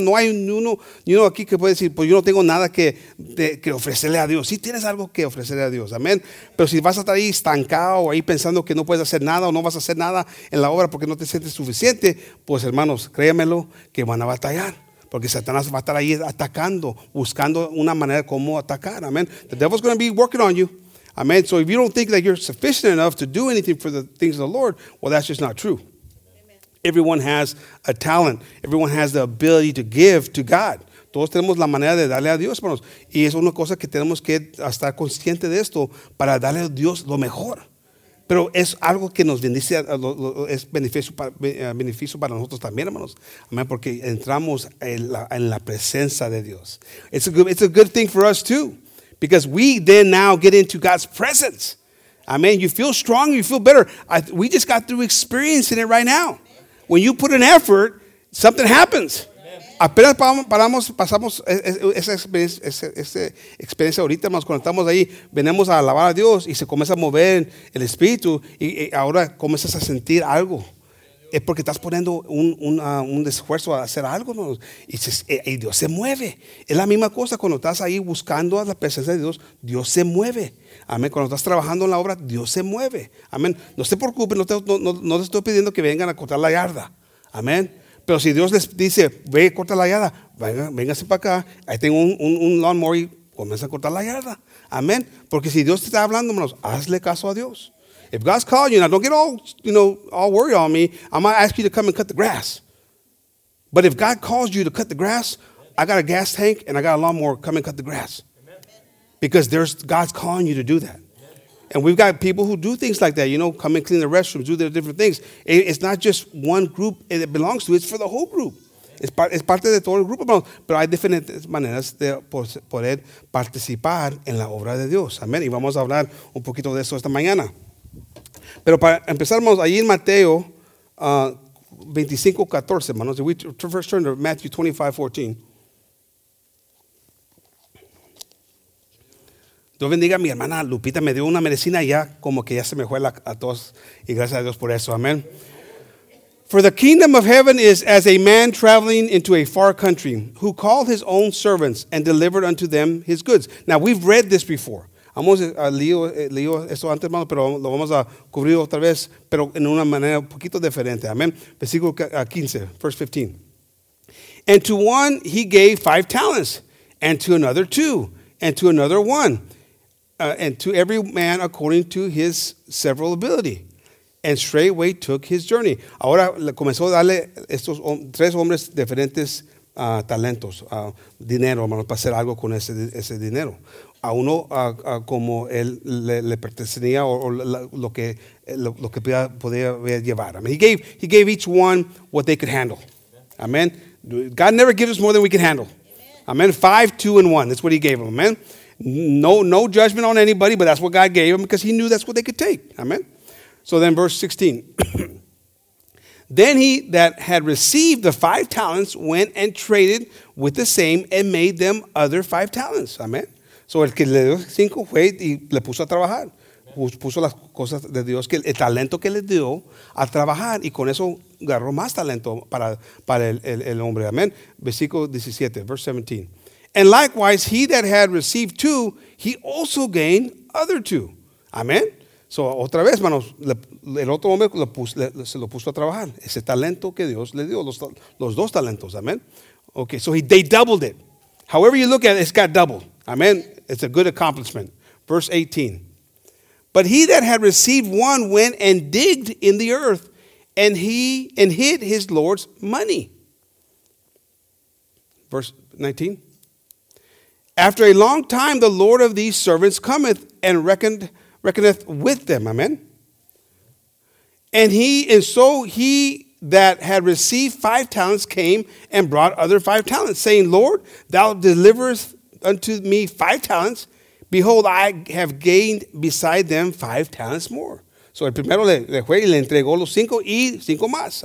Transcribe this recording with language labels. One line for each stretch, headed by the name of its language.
Spanish: No hay ni uno aquí que puede decir, pues yo no tengo nada que ofrecerle a Dios. Sí tienes algo que ofrecerle a Dios. Amén. Pero si vas a estar ahí estancado o ahí pensando que no puedes hacer nada o no vas a hacer nada en la obra porque no te sientes suficiente, pues hermanos, créanmelo que van a batallar. Porque Satanás va a estar ahí atacando, buscando una manera de cómo atacar. Amén.
English: The devil's going to be working on you. Amen. So if you don't think that you're sufficient enough to do anything for the things of the Lord, well, that's just not true. Amen. Everyone has a talent. Everyone has the ability to give to God.
Spanish: Todos tenemos la manera de darle a Dios, hermanos. Y es una cosa que tenemos que estar consciente de esto para darle a Dios lo mejor. Pero es algo que nos bendice, es beneficio para nosotros también, hermanos. Amén, porque entramos en la presencia de Dios.
English: It's a good thing for us too. Because we then now get into God's presence. Amen. You feel strong, you feel better. We just got through experiencing it right now. When you put an effort, something happens.
Spanish: Apenas pasamos esa experiencia ahorita, hermanos, cuando estamos ahí, venimos a alabar a Dios y se comienza a mover el Espíritu y ahora comienzas a sentir algo. Es porque estás poniendo un esfuerzo a hacer algo, ¿no? Y Dios se mueve. Es la misma cosa cuando estás ahí buscando a la presencia de Dios, Dios se mueve. Amén. Cuando estás trabajando en la obra, Dios se mueve. Amén. No se preocupen, no te estoy pidiendo que vengan a cortar la yarda. Amén. Pero si Dios les dice, ve, corta la yarda, véngase para acá. Ahí tengo un lawnmower y comienza a cortar la yarda. Amén. Porque si Dios te está hablando, hermanos, hazle caso a Dios.
English: If God's calling you, now don't get all worried on me. I might ask you to come and cut the grass. But if God calls you to cut the grass, I got a gas tank and I got a lawnmower. Come and cut the grass. Because God's calling you to do that. And we've got people who do things like that, you know, come and clean the restrooms, do their different things. It's not just one group it belongs to. It's for the whole group.
Spanish: Es parte de todo el grupo. Pero hay diferentes maneras de poder participar en la obra de Dios. Amén. Y vamos a hablar un poquito de eso esta mañana. Pero para empezar, vamos ahí en Mateo 25:14, hermanos.
English: We first turn to Matthew 25:14.
Spanish: Dios bendiga a mi hermana Lupita, me dio una medicina ya como que ya se me fue a todos y gracias a Dios por eso, amén.
English: For the kingdom of heaven is as a man traveling into a far country who called his own servants and delivered unto them his goods. Now we've read this before.
Spanish: Vamos a leer esto antes, hermano, pero lo vamos a cubrir otra vez, pero en una manera un poquito diferente, amén. Versículo 15,
English: verse 15. And to one he gave 5 talents, and to another 2, and to another 1. And to every man according to his several ability, and straightway took his journey.
Spanish: Ahora comenzó a darle estos tres hombres diferentes talentos, dinero, hermano, para hacer algo con ese dinero. A uno como él le pertenecía o lo que podía llevar.
English: I mean, he gave each one what they could handle. Amen. God never gives us more than we can handle. Amen. 5, 2, and 1. That's what he gave them. Amen. No judgment on anybody, but that's what God gave them because he knew that's what they could take. Amen. So then verse 16. Then he that had received the 5 talents went and traded with the same and made them other 5 talents. Amen.
Spanish: So el que le dio 5 fue y le puso a trabajar. Puso las cosas de Dios, que el talento que le dio a trabajar y con eso agarró más talento para el hombre. Amen. Versículo 17,
English: verse 17. And likewise, he that had received 2, he also gained other 2. Amen.
Spanish: So, otra vez, manos, el otro hombre se lo puso a trabajar. Ese talento que Dios le dio, los dos talentos.
English: Amen. Okay, so they doubled it. However you look at it, it's got doubled. Amen. It's a good accomplishment. Verse 18. But he that had received 1 went and digged in the earth, and hid his Lord's money. Verse 19. After a long time, the Lord of these servants cometh and reckoneth with them. Amen. And so he that had received 5 talents came and brought other 5 talents, saying, Lord, thou deliverest unto me 5 talents. Behold, I have gained beside them 5 talents more.
Spanish: So el primero le fue y le entregó los 5 y 5 más.